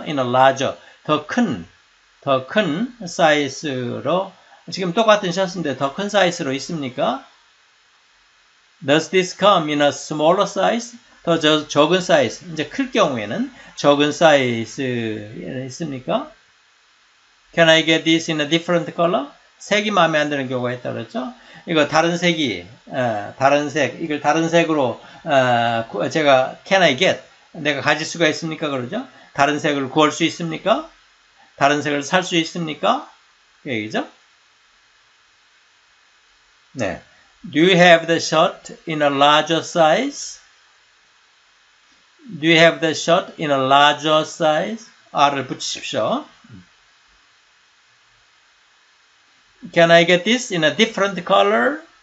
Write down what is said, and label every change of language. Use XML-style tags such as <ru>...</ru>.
<en>In a larger,</en> <ko>더큰 사이즈로, 지금 똑같은 셔츠인데 더큰 사이즈로 있습니까?</ko> <en>Does this come in a smaller size?</en> <ko>더 적은 사이즈, 이제 클 경우에는 적은 사이즈 있습니까?</ko> <en>Can I get this in a different color?</en> <ko>색이 마음에 안 드는 경우가 있다고 그랬죠? 이거 다른 색이, 다른 색, 이걸 다른 색으로, 제가</ko> <en>can I get?</en> <ko>내가 가질 수가 있습니까? 그러죠? 다른 색을 구할 수 있습니까? 다른 색을 살수 있습니까? 그 얘기죠? 네.</ko> <en>Do you have the shirt in a larger size? Do you have the shirt in a larger size?</en> <ko>R을 붙이십시오.</ko> <en>Can I get this in a different color?</en>